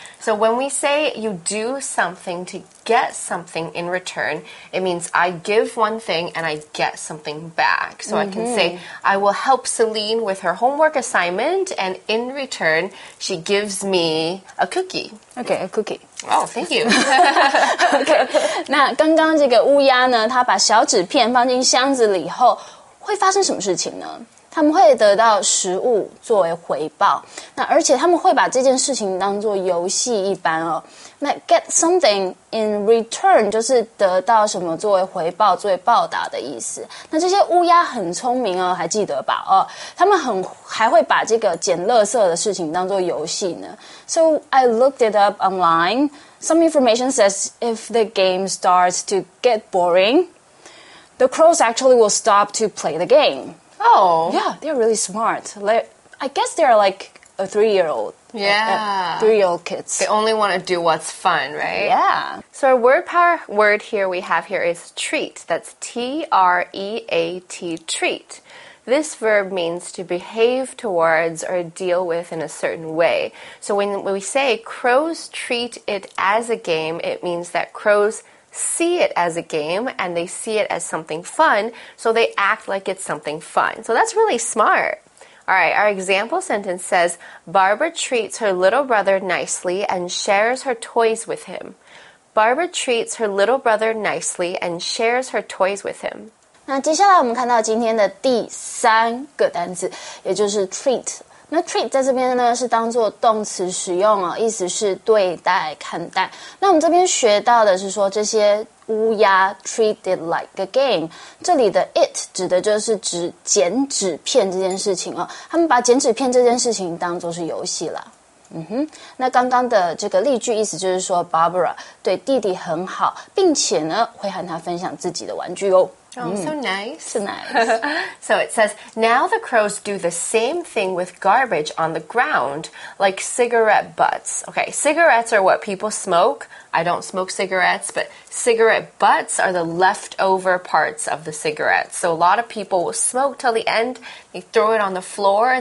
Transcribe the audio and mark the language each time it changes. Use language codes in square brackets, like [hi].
[en] So when we say you do something to get something in return, it means I give one thing and I get something back. So I can say I will help Celine with her homework assignment and in return she gives me a cookie. Okay, a cookie. Oh, thank you. [zh] Okay, 那刚刚这个乌鸦呢，它把小纸片放进箱子里以后会发生什么事情呢？他们会得到食物作为回报，那而且他们会把这件事情当作游戏一般哦。那 get something in return 就是得到什么作为回报、作为报答的意思。那这些乌鸦很聪明哦，还记得吧？哦，他们还会把这个捡垃圾的事情当作游戏呢。 [en] So I looked it up online. Some information says if the game starts to get boring, the crows actually will stop to play the game. Oh. Yeah, they're really smart. I guess they're like a three-year-old. Yeah. Three-year-old kids. They only want to do what's fun, right? Yeah. So our word power word here we have here is treat. That's T-R-E-A-T, treat. This verb means to behave towards or deal with in a certain way. So when we say crows treat it as a game, it means that crowssee it as a game, and they see it as something fun, so they act like it's something fun. So that's really smart. All right, our example sentence says, Barbara treats her little brother nicely and shares her toys with him. Barbara treats her little brother nicely and shares her toys with him. [zh] 那接下来我们看到今天的第三个单词，也就是 treat。那 treat 在这边呢是当作动词使用哦，意思是对待、看待。那我们这边学到的是说这些乌鸦 treat it like a game，这里的 it 指的就是指剪纸片这件事情哦，他们把剪纸片这件事情当作是游戏啦。嗯哼，那刚刚的这个例句意思就是说 Barbara 对弟弟很好，并且呢会和他分享自己的玩具哦。 [en] Oh, so nice. So nice. So it says, now the crows do the same thing with garbage on the ground, like cigarette butts. Okay, cigarettes are what people smoke. I don't smoke cigarettes, but cigarette butts are the leftover parts of the cigarettes. So a lot of people will smoke till the end. They throw it on the floor.